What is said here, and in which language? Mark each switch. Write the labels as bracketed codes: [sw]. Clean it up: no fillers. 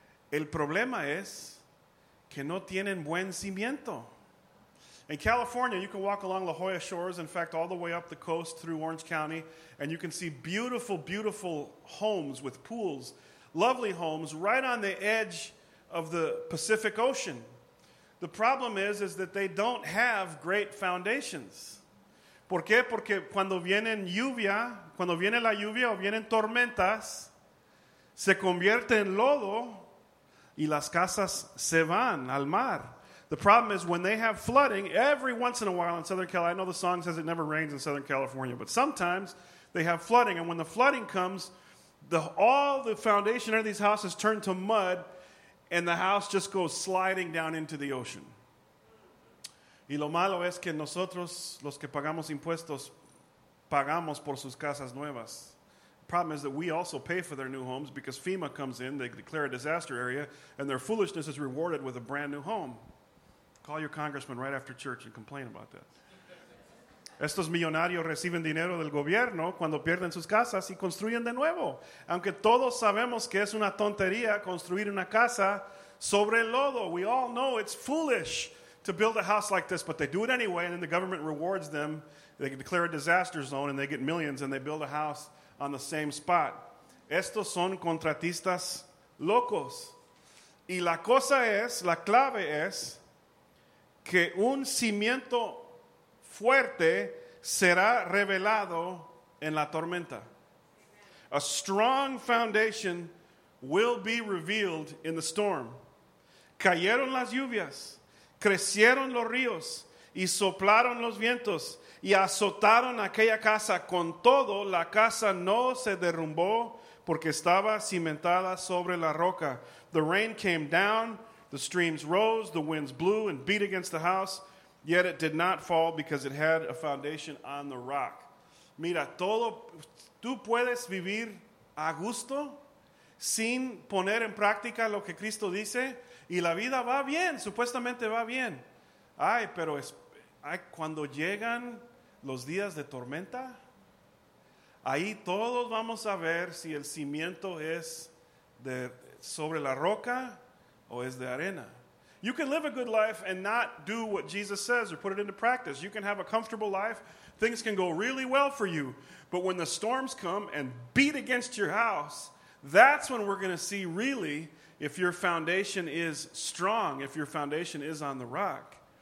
[es] El problema es que no tienen buen cimiento. [en] In California, you can walk along La Jolla Shores, in fact, all the way up the coast through Orange County, and you can see beautiful, beautiful homes with pools, lovely homes right on the edge of the Pacific Ocean. The problem is that they don't have great foundations. [es] ¿Por qué? Porque cuando vienen lluvia, cuando viene la lluvia o vienen tormentas, se convierte en lodo y las casas se van al mar. [en] The problem is when they have flooding, every once in a while in Southern California, I know the song says it never rains in Southern California, but sometimes they have flooding. And when the flooding comes, all the foundation under these houses turn to mud and the house just goes sliding down into the ocean. [es] Y lo malo es que nosotros, los que pagamos impuestos, pagamos por sus casas nuevas. [en] The problem is that we also pay for their new homes because FEMA comes in, they declare a disaster area, and their foolishness is rewarded with a brand new home. Call your congressman right after church and complain about that. [es] Estos millonarios reciben dinero del gobierno cuando pierden sus casas y construyen de nuevo. Aunque todos sabemos que es una tontería construir una casa sobre el lodo. [en] We all know it's foolish to build a house like this, but they do it anyway, and then the government rewards them. They can declare a disaster zone, and they get millions, and they build a house on the same spot. [es] Estos son contratistas locos. Y la cosa es, la clave es, que un cimiento fuerte será revelado en la tormenta. [en] A strong foundation will be revealed in the storm. [es] Cayeron las lluvias. Crecieron los ríos y soplaron los vientos y azotaron aquella casa. Con todo, la casa no se derrumbó porque estaba cimentada sobre la roca. [en] The rain came down, the streams rose, the winds blew and beat against the house, yet it did not fall because it had a foundation on the rock. [es] mira, todo, tú puedes vivir a gusto sin poner en práctica lo que Cristo dice y la vida va bien, supuestamente va bien. Ay, pero es, ay, cuando llegan los días de tormenta, ahí todos vamos a ver si el cimiento es de, sobre la roca o es de arena. [en] You can live a good life and not do what Jesus says or put it into practice. You can have a comfortable life. Things can go really well for you. But when the storms come and beat against your house, that's when we're going to see really if your foundation is strong, if your foundation is on the rock.